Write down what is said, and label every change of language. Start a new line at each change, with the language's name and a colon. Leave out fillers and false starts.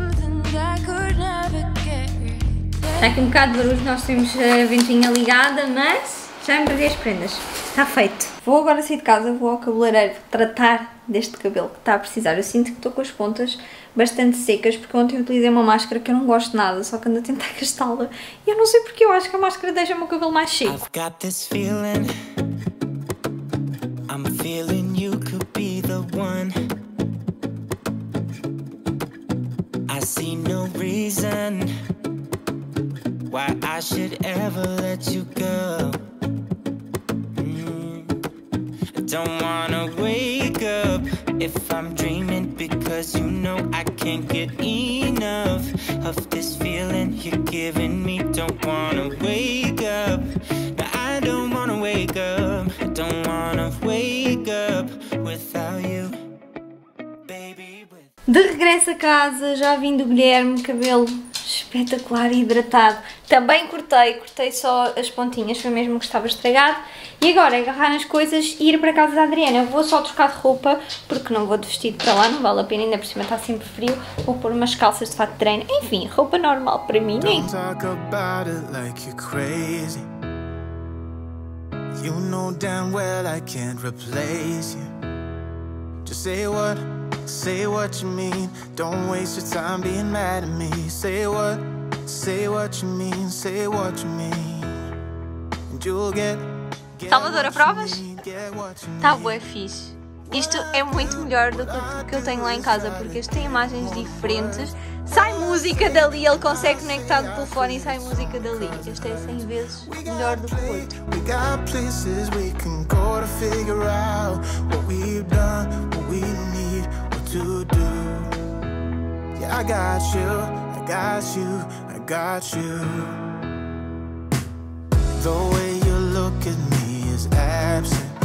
Portuguese: Está aqui um bocado de barulho, nós temos a ventinha ligada, mas já me perdi as prendas. Está feito. Vou agora sair de casa, vou ao cabeleireiro tratar deste cabelo que está a precisar. Eu sinto que estou com as pontas bastante secas, porque ontem utilizei uma máscara que eu não gosto de nada, só que ando a tentar gastá-la. E eu não sei porque, eu acho que a máscara deixa o meu cabelo mais cheio.
English: I've got this feeling, I'm feeling you could be the one. I see no reason why I should ever let you go. Don't wanna wake up if I'm dreaming, because you know I can't get enough of this feeling you're giving me. Don't wanna wake up, no, I don't wanna wake up. Don't wanna wake up without you.
Portuguese: De regresso a casa, já vim do Guilherme, cabelo espetacular e hidratado. Também cortei só as pontinhas, foi mesmo que estava estragado. E agora, agarrar as coisas e ir para a casa da Adriana. Vou só trocar de roupa, porque não vou de vestido para lá, não vale a pena, ainda por cima está sempre frio. Vou pôr umas calças de fato de treino, enfim, roupa normal para mim, hein?
English: Don't talk about it like you're crazy. You know damn well I can't replace you. Just say what? Say what you mean, don't waste your time being mad at me. Say what you mean, say what you mean. And you'll get
Portuguese: Salvador, a provas? Está bué fixe. Isto é muito melhor do que eu tenho lá em casa, porque isto tem imagens diferentes. Sai música dali, ele consegue conectar do telefone e sai música dali. Isto é 100 vezes melhor do que o outro.
English: We got places we can go to figure out what we've done, what we need. To do, yeah, I got you, I got you, I got you. The way you look at me is absent.